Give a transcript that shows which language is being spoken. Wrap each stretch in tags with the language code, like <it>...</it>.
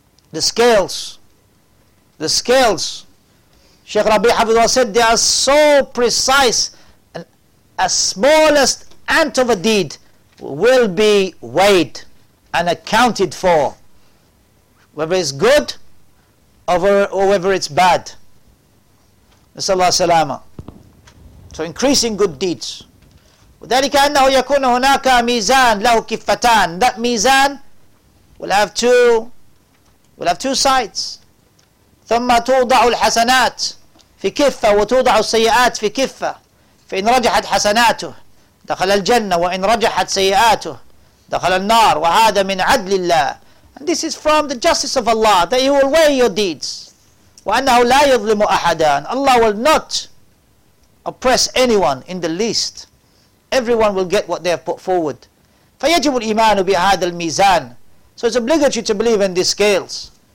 <en>The scales. Sheikh Rabi' Hafidhullah said, they are so precise. And as smallest ant of a deed will be weighed and accounted for, whether it's good or whether it's bad. Sallallahu alayhi wa sallam. So increasing good deeds.</en> <ar>وذلك أنه يكون هناك ميزان له كفتان.</ar> <en>That ميزان will have two sides.</en> <ar>ثم توضع الحسنات في كفة وتوضع السيئات في كفة. فإن رجحت حسناته دخل الجنة وإن رجحت سيئاته دخل النار. وهذا من عدل الله.</ar> <en>And this is from the justice of Allah, that He will weigh your deeds.</en> <ar>وأنه لا يظلم أحدا.</ar> <en>Allah will not oppress anyone in the least. Everyone will get what they have put forward.</en> <ar>فَيَجِبُ الْإِيمَانُ بِهَذَا الْمِيزَانِ.</ar> <en>So it's obligatory to believe in these scales.</en>